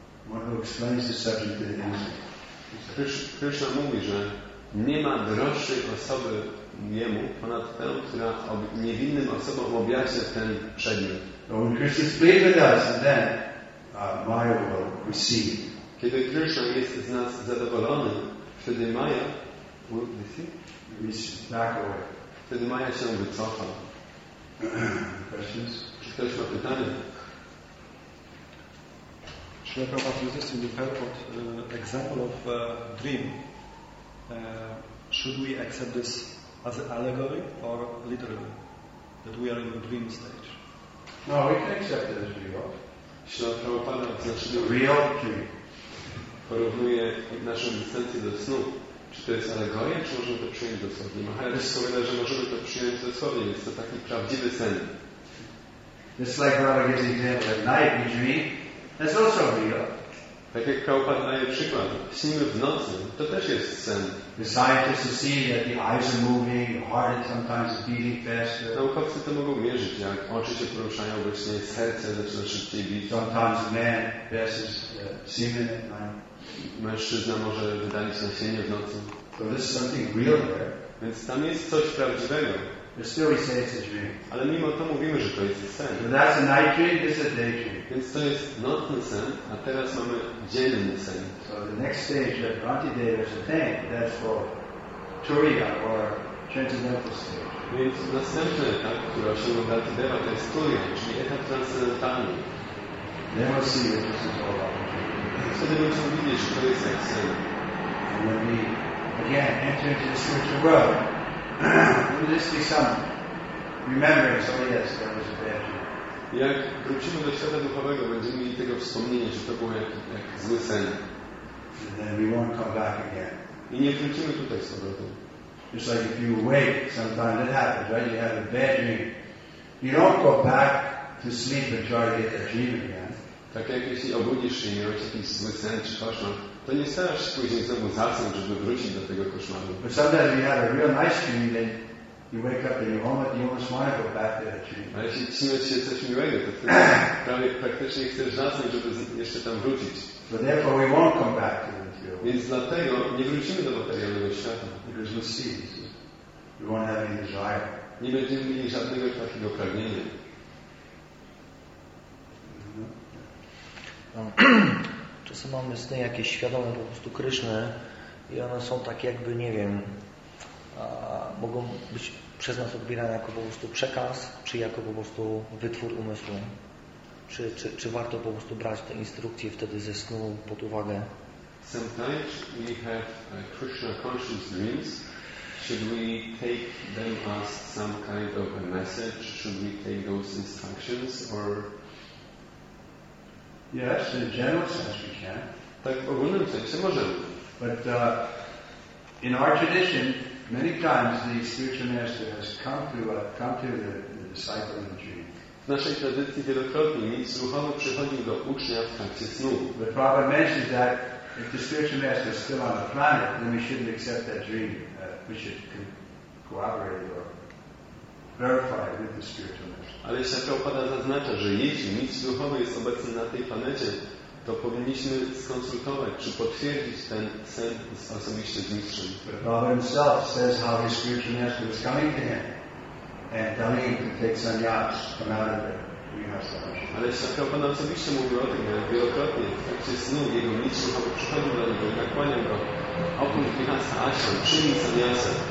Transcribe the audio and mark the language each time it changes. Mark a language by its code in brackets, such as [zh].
[en] One who explains the subject in English. [pl] Krishna mówi, że nie ma droższej osoby jemu ponad tę, która niewinnym osobom objaśnia ten przedmiot. [en] So when Krishna is pleased with us, then Maya will receive. [pl] Kiedy Krishna jest z nas zadowolony, wtedy Maya [en] will receive. Back away. [pl] Wtedy Maya się wycofa. [en] Questions? [pl] Czy ktoś ma pytanie? [en] Srila Prabhupada uses in the purport example of dream. Should we accept this as an allegory or literally? That we are in the dream stage? No, we can accept it as real. Srila Prabhupada uses the real dream. [pl] Porównuje naszą egzystencję do snu. Czy to jest alegoria, czy możemy to przyjąć dosłownie? Maharaj powiada, że możemy to przyjąć dosłownie. Jest to taki prawdziwy sen. [en] Just like Prabhupada gives an example at night, we dream. That's also real. [pl] Tak jak Prabhupada daje przykład, śnimy w nocy, to też jest sen. [en] The scientists see that the eyes are moving, the heart is sometimes beating faster. [pl] Naukowcy to mogą mierzyć, jak oczy się poruszają, obecnie serce zaczyna szybciej bić. [en] Sometimes man versus semen at night. [pl] Mężczyzna może wydalić nasienie w nocy. [en] So this is something real there. [pl] Więc tam jest coś prawdziwego. [en] But still we say it's a dream. [pl] Ale mimo to mówimy, że to jest sen. [en] So that's a night dream, this is a day dream. [pl] Więc to jest nocny sen, a teraz mamy dzienny sen. [en] So the next stage of Bhantideva is a thing, that's for Turiya or transcendental stage. [pl] Więc następny etap, który osiągnął Bhantideva, to jest Turiya, czyli etap transcendentalny. [en] Then we'll see what this is all about. [pl] Wtedy będziemy widzieć, że to jest jak sen. [en] And when we again enter into the spiritual world, will this be some remembering? So yes, that was a bad dream. [pl] Jak wrócimy do świata duchowego, będziemy mieli tego wspomnienia, że to było jak zły sen. [en] And then we won't come back again. [pl] I nie wrócimy tutaj z powrotem. [en] Just like if you wake sometimes, it happens, right? You have a bad dream. You don't go back to sleep and try to get that dream again. [pl] Tak jak jeśli obudzisz się i miałeś jakiś zły sen czy koszmar, to nie starasz się później znowu zasnąć, żeby wrócić do tego koszmaru. [en] But sometimes you have a real nice dream, then you wake up and you almost want to go back to that dream. [pl] Ale jeśli śniłeś się coś miłego, to wtedy prawie praktycznie chcesz zasnąć, żeby jeszcze tam wrócić. [en] So therefore we won't come back to that dream. [pl] Więc dlatego nie wrócimy do materialnego świata. [en] Because we'll see. We won't have any desire. [pl] Nie będziemy mieli żadnego takiego pragnienia. Czasem mamy sny jakieś świadome po prostu Kryszny i one są takie jakby, nie wiem, mogą być przez nas odbierane jako po prostu przekaz, czy jako po prostu wytwór umysłu. Czy warto po prostu brać te instrukcje wtedy ze snu pod uwagę? [en] Sometimes we have Krishna conscious dreams. Should we take them as some kind of a message? Should we take those instructions, or? Yes, in a general sense we can. [pl] Tak w ogólnym sensie możemy. [en] But in our tradition, many times the spiritual master has come to the disciple in the dream. [pl] W naszej tradycji wielokrotnie mistrz duchowy przychodził do ucznia w trakcie snu. [en] The Prabhupada mentions that if the spiritual master is still on the planet, then we shouldn't accept that dream. We should cooperate or verify with the spiritual master. [pl] Ale jeśli Prabhupada zaznacza, że jeśli mistrz duchowy jest obecny na tej planecie, to powinniśmy skonsultować, czy potwierdzić ten sen osobiście z mistrzem. [en] Prabhupada himself says how his spiritual master was coming to him and telling him to take sannyas from out of there. [pl] Ale Śr. Prabhupada osobiście mówił o tym, jak wielokrotnie w trakcie snu jego mistrz duchowy przychodził do niego i nakłaniał go: opuść Grihastha Ashram, przyjmij sannyasę.